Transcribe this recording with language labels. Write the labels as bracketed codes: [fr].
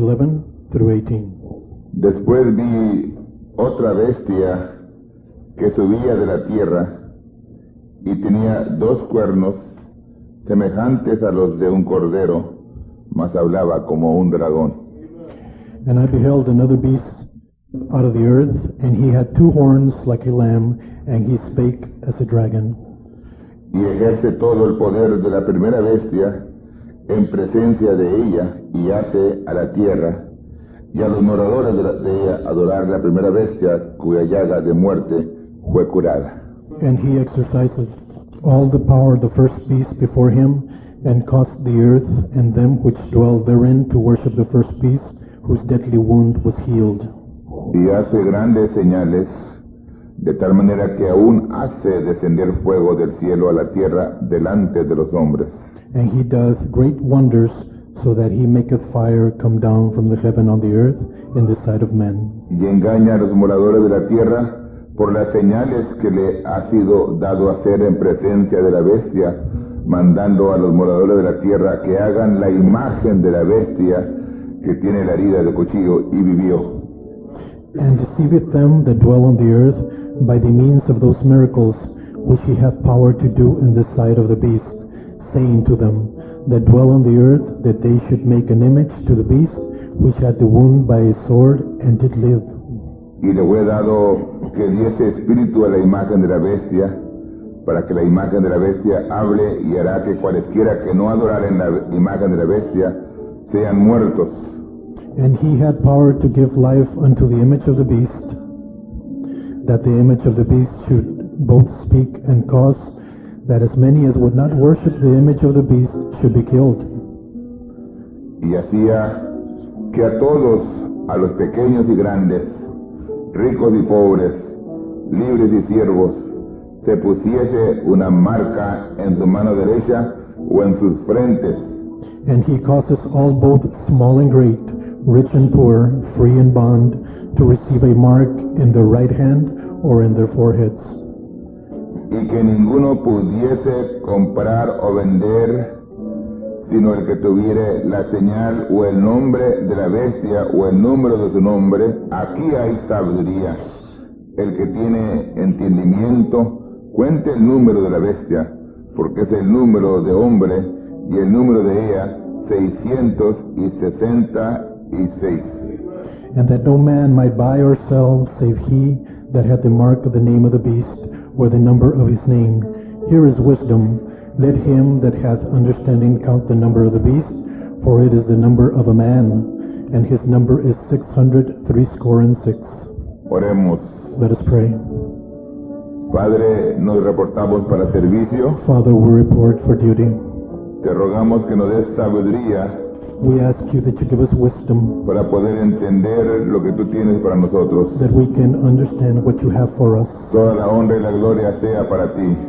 [en] Verse 11 through 18. [es] Después vi otra bestia que subía de la tierra y tenía dos cuernos semejantes a los de un cordero, mas hablaba como un dragón. [en] And I beheld another beast out of the earth, and he had two horns like a lamb, and he spake as a dragon. [es] Y ejerce todo el poder de la primera bestia en presencia de ella, y hace a la tierra y a los moradores de ella adorar la primera bestia, cuya llaga de muerte fue curada. [en] And he exercises all the power of the first beast before him, and caused the earth and them which dwell therein to worship the first beast, whose deadly wound was healed. [es] Y hace grandes señales, de tal manera que aún hace descender fuego del cielo a la tierra delante de los hombres. [en] And he does great wonders, so that he maketh fire come down from the heaven on the earth in the sight of men. [es] Y engaña a los moradores de la tierra por las señales que le ha sido dado hacer en presencia de la bestia, mandando a los moradores de la tierra que hagan la imagen de la bestia que tiene la herida de cuchillo y vivió. [en] And deceiveth them that dwell on the earth by the means of those miracles which he hath power to do in the sight of the beast, saying to them that dwell on the earth that they should make an image to the beast which had the wound by a sword and did live. [es] Y le fue dado que diese espíritu a la imagen de la bestia, para que la imagen de la bestia hable y hará que cualesquiera que no adoraren la imagen de la bestia sean muertos. [en] And he had power to give life unto the image of the beast, that the image of the beast should both speak and cause that as many as would not worship the image of the beast should be killed. [es] Y hacía que a todos, a los pequeños y grandes, ricos y pobres, libres y siervos, se pusiese una marca en su mano derecha o en sus frentes. [en] And he causes all, both small and great, rich and poor, free and bond, to receive a mark in their right hand or in their foreheads. [es] Y que ninguno pudiese comprar o vender, sino el que tuviere la señal o el nombre de la bestia o el número de su nombre. Aquí hay sabiduría. El que tiene entendimiento, cuente el número de la bestia, porque es el número de hombre, y el número de ella, 666. [en] And that no man might buy or sell, save he that hath the mark of the name of the beast, or the number of his name. Here is wisdom. Let him that hath understanding count the number of the beast, for it is the number of a man, and his number is 666. [es] Oremos. [en] Let us pray. [es] Padre, nos reportamos para servicio. [en] Father, we report for duty. [es] Te rogamos que nos des sabiduría. [en] We ask you that you give us wisdom, [es] para poder entender lo que tú tienes para nosotros. [en] That we can understand what you have for us. [es] Toda la honra y la gloria sea para ti.